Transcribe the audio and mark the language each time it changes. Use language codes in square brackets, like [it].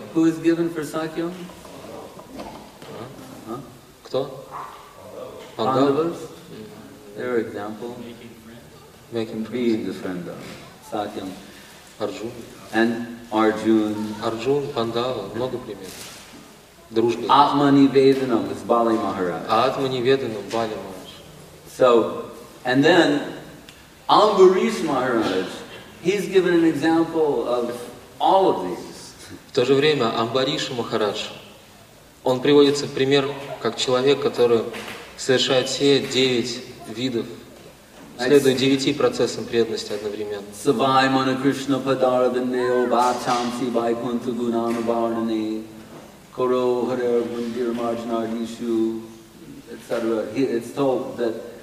[en] Who is given for Сакьям? [ru] Кто? [en] Пандавас? Their example. Making friends. Being the friend of Сакьям. [ru] Арджун. [en] And Arjun. [ru] Arjun, Pandava, много примеров. Дружба. [en] Atmanivedanam is Bali Maharaj. Atmanivedanam, Bali Maharaj. So, and then Ambarish Maharaj, he's given an example of all of these. [ru] В то же время Амбариш Махарадж, он приводится в пример как человек, который совершает все 9 видов следуя 9 процессам преданности одновременно.